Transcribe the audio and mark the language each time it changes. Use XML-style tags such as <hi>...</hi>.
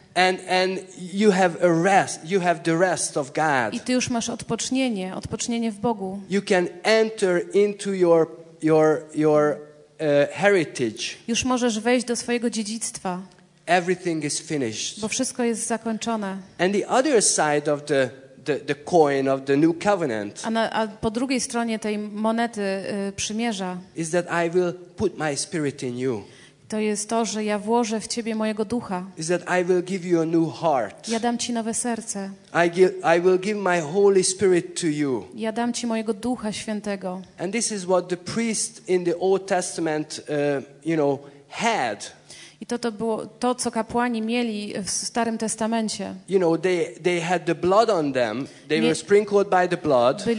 <en>And you have a rest, you have the rest of God.</en> <pl>I ty już masz odpocznienie w Bogu.</pl> <en>You can enter into your heritage.</en> <pl>Już możesz wejść do swojego dziedzictwa.</pl> <en>Everything is finished.</en> <pl>Bo wszystko jest zakończone.</pl> <en>And the other side of the coin of the new covenant.</en> <pl>A po drugiej stronie tej monety przymierza.</pl> <en>Is that I will put my spirit in you.</en> <pl>To jest to, że ja włożę w ciebie mojego ducha.</pl> <en>Is that I will give you a new heart.</en> <pl>Ja dam ci nowe serce.</pl> <en>I will give my Holy Spirit to you.</en> <pl>Ja dam ci mojego Ducha Świętego.</pl> <en>And this is what the priest in the Old Testament, you know, had.</en> <pl>I to było to, co kapłani mieli w Starym Testamencie.</pl> <en>You know, they had the blood on them. They were sprinkled by the blood.</en>